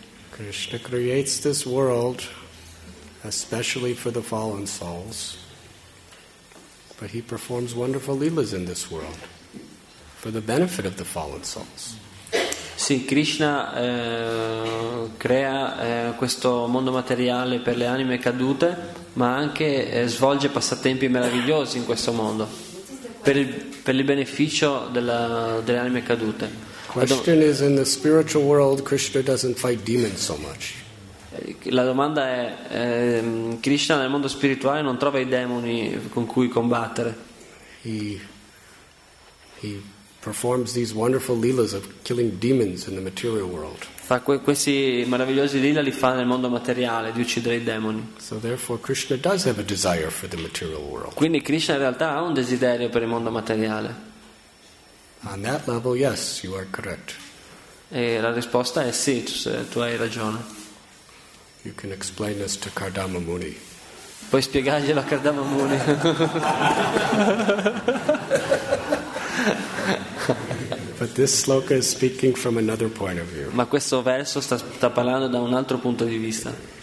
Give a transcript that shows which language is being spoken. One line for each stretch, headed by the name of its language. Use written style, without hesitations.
English: Krishna creates this world especially for the fallen souls, but he performs wonderful leelas in this world for the benefit of the fallen souls.
Italian: Sì, Krishna crea questo mondo materiale per le anime cadute, ma anche svolge passatempi meravigliosi in questo mondo per il beneficio delle anime cadute.
English: Question is, in the spiritual world, Krishna doesn't fight demons so much.
Italian: La domanda è, Krishna nel mondo spirituale non trova i demoni con cui combattere.
English: He performs these wonderful leelas of killing demons in the material world.
Italian: Fa questi meravigliosi leela, li fa nel mondo materiale, di uccidere i demoni.
English: So therefore Krishna does have a desire for the material world.
Italian: Quindi Krishna in realtà ha un desiderio per il mondo materiale.
English: On that level, yes, you are correct.
Italian: E la risposta è sì, tu hai ragione.
English: You can explain this to Kardama Muni.
Italian: Puoi spiegarglielo a Kardama Muni.
English: But this sloka is speaking from another point of view.
Italian: Ma questo verso sta parlando da un altro punto di vista.